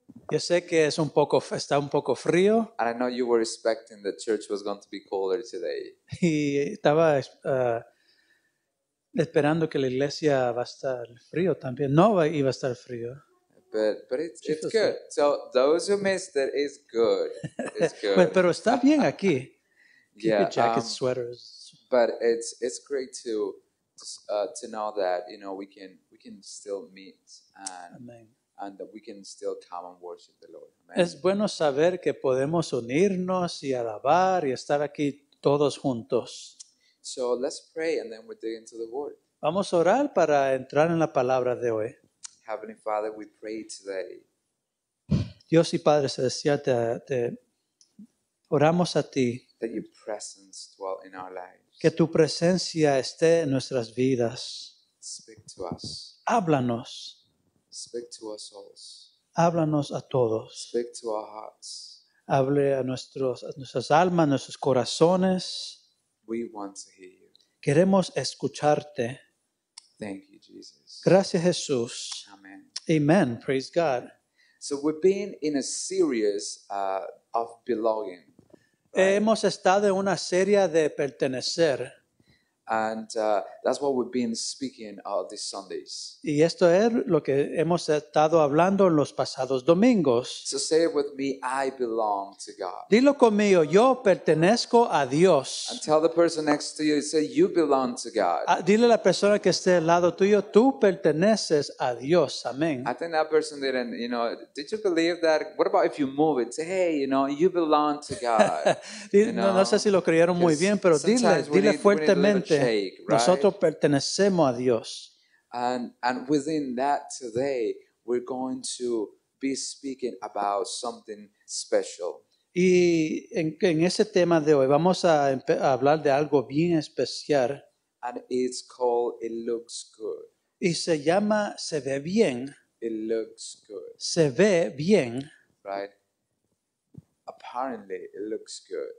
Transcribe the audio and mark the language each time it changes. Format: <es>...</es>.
<es>Yo sé que es un poco, está un poco frío.</es> <en>And I know you were expecting the church was going to be colder today.</en> <es>Y estaba esperando que la iglesia va a estar frío también. No iba a estar frío.</es> <en>But it's good. So those who missed it, it's good. It's good.</en> <es>pero está bien aquí.</es> <en>Keep your jackets, sweaters. But it's great to know that, you know, we can still meet and that we can still come and worship the Lord. Amen.</en> <es>Es bueno saber que podemos unirnos y alabar y estar aquí todos juntos.</es> <en>So let's pray and then we'll dig into the word.</en> <es>Vamos a orar para entrar en la palabra de hoy.</es> <en>Heavenly Father, we pray today.</en> <es>Dios y Padre Celestial, te oramos a ti.</es> <en>That your presence dwell in our lives.</en> <es>Que tu presencia esté en nuestras vidas.</es> <en>Speak to us.</en> <es>Háblanos.</es> <en>Speak to our souls.</en> <es>Háblanos a todos.</es> <en>Speak to our hearts.</en> <es>Hable a nuestras almas, nuestros corazones.</es> <en>We want to hear you.</en> <es>Queremos escucharte.</es> <en>Thank you, Jesus.</en> <es>Gracias, Jesús.</es> <en>Amen. Amen. Praise God. So we've been in a series of belonging.</en> <es>Right. Hemos estado en una serie de pertenecer.</es> <en>And that's what we've been speaking all these Sundays.</en> <es>Y esto es lo que hemos estado hablando en los pasados domingos.</es> <en>So say it with me, I belong to God.</en> <es>Dilo conmigo, yo pertenezco a Dios.</es> <en>And tell the person next to you, say, you belong to God.</en> <es>Dile a la persona que esté al lado tuyo, tú perteneces a Dios. Amén.</es> <en>I think that person didn't, you know, did you believe that? What about if you move it? Say, hey, you know, you belong to God.</en> <es>No sé si lo creyeron muy bien, pero dile fuertemente.</es> <en>Shake, right?</en> <es>Nosotros pertenecemos a Dios.</es> <en>And within that today, we're going to be speaking about something special.</en> <es>Y en ese tema de hoy vamos a hablar de algo bien especial.</es> <en>And it's called It Looks Good.</en> <es>Y se llama Se Ve Bien.</es> <en>It Looks Good.</en> <es>Se Ve Bien.</es> <en>Right. Apparently, it looks good.</en>